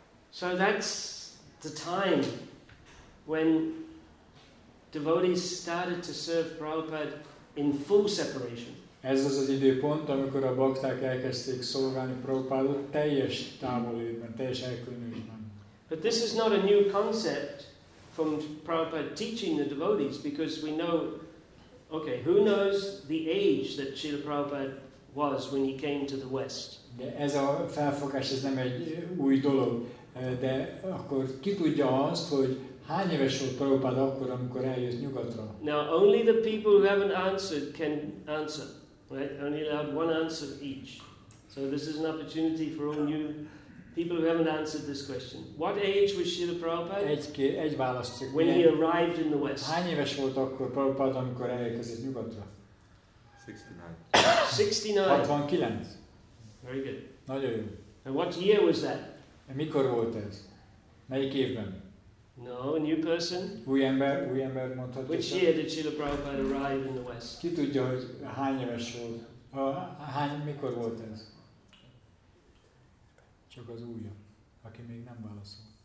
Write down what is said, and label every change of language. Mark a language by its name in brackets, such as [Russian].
[English] So that's the time when devotees started to serve Prabhupada in full separation. [Hungarian] Ez az az időpont, amikor a bakták elkezdték szolgálni Prabhupádot teljes távolében, teljes elkülönülésben. [English] But this is not a new concept from Prabhupada teaching the devotees, because we know, okay, who knows the age that Srila Prabhupada was when he came to the West? [Hungarian] De ez a felfogás, ez nem egy új dolog. De akkor ki tudja azt, hogy hány éves volt Prabhupada akkor, amikor eljött nyugatra? [English] Now only the people who haven't answered can answer. Right? Only allowed one answer each. So this is an opportunity for all new people who haven't answered this question. What age was Srila Prabhupada? [Hungarian] Egy választ csak. [English] When he arrived in the West. [Hungarian] Hány éves volt akkor Prabhupada, amikor elérkezett nyugatra? [English] 69. Very good. [Hungarian] Nagyon jó. [English] And what year was that? [Hungarian] Mikor volt ez? Melyik évben? [English] No, a new person. [Hungarian] Új ember mondhatja. [English] Which year did Srila Prabhupada arrive in the West? [Hungarian] Ki tudja, hogy hány éves volt? Mikor volt ez? Csak az újja, aki még nem válaszol.